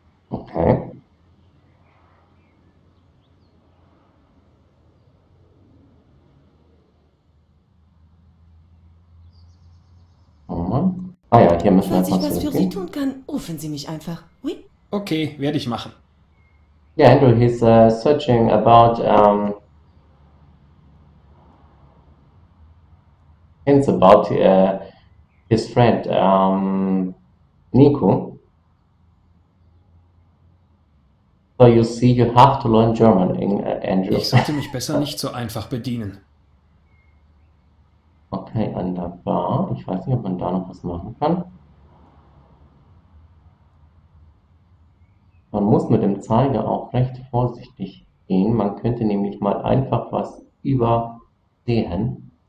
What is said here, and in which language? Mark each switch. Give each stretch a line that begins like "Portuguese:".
German: Okay. Ah ja, hier müssen wir jetzt mal zurückgehen. Falls ich was für Sie tun kann, rufen Sie mich einfach.
French: Oui?
German: Okay, werde ich machen.
English: Yeah, Andrew, he's searching about hints about his friend Nico. So you see, you have to learn German, Andrew.
German: Ich sollte mich besser nicht so einfach bedienen. Okay, an der Bar. Ich weiß nicht, ob man da noch was machen kann. Man muss mit dem Zeiger auch recht vorsichtig gehen. Man könnte nämlich mal einfach was übersehen.